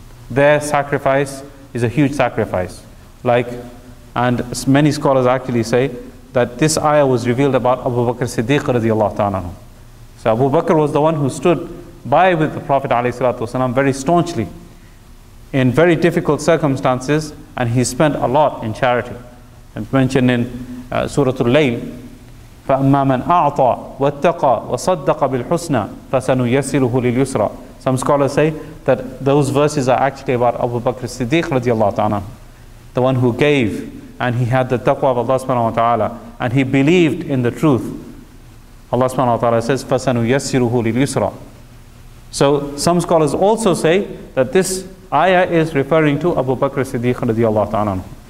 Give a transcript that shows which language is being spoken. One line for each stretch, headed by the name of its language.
English: Their sacrifice is a huge sacrifice. Like, and many scholars actually say that this ayah was revealed about Abu Bakr Siddiq radiallahu ta'ala. So Abu Bakr was the one who stood by with the Prophet ﷺ very staunchly in very difficult circumstances, and he spent a lot in charity. It's mentioned in Surah Al-Layl,
Arabic: فَأَمَّا مَنْ أَعْطَى وَاتَّقَى وَصَدَّقَ بِالْحُسْنَى فَسَنُيَسِّرُهُ لِلْيُسْرَى.
English: Some scholars say that those verses are actually about Abu Bakr Siddiq radiallahu ta'ala, the one who gave, and he had the taqwa of Allah subhanahu wa ta'ala, and he believed in the truth. Allah subhanahu wa ta'ala says,
Arabic: فَسَنُيَسِّرُهُ لِلْيُسْرَى.
English: So some scholars also say that this ayah is referring to Abu Bakr Siddiq radiallahu ta'ala.